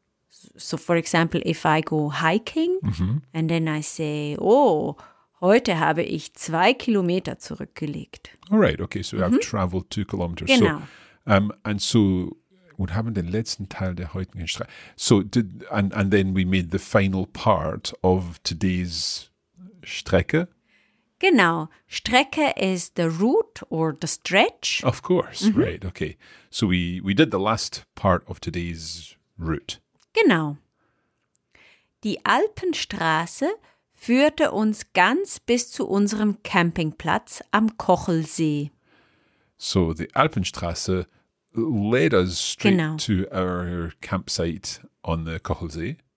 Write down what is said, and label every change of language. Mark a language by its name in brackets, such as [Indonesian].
[English] So for example, if I go hiking and then I say, oh, [German] heute habe ich 2 Kilometer zurückgelegt. [English] All right, okay, so I've traveled 2 kilometers. [German] Genau. [English] So we [German] haben den letzten Teil der heutigen Strecke. [English] So did, and then we made the final part of today's Strecke. Genau. Strecke is the route or the stretch. Of course. Mm-hmm. Right. Okay. So we did the last part of today's route. [German] Genau. Die Alpenstraße führte uns ganz bis zu unserem Campingplatz am Kochelsee. [English] So the Alpenstraße led us straight to our campsite on the Kochelsee.